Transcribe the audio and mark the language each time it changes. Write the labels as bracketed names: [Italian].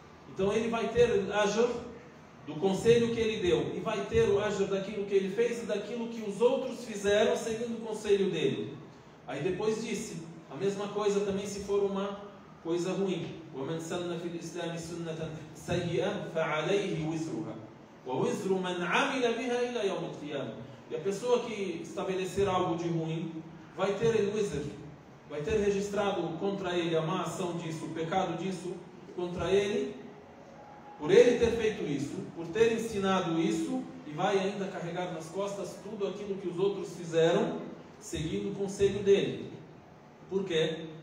[Portuguese] Então ele vai ter o ajr do conselho que ele deu, e vai ter o ajr daquilo que ele fez e daquilo que os outros fizeram seguindo o conselho dele. Aí depois disse a mesma coisa também se for uma coisa ruim: [Arabic] وَمَنْ سَنَّ فِي الْإِسْلَامِ سُنَّةً سَيِّئًا فَعَلَيْهِ وِزْرُهَا وَوِزْرُ مَنْ عَمِلَ بِهَا إِلَى يَوْمِ الْقِيَامَةِ. [Portuguese] E a pessoa que estabelecer algo de ruim vai ter o wizr, vai ter registrado contra ele a má ação disso, o pecado disso contra ele, por ele ter feito isso, por ter ensinado isso, e vai ainda carregar nas costas tudo aquilo que os outros fizeram, seguindo o conselho dele. Por quê?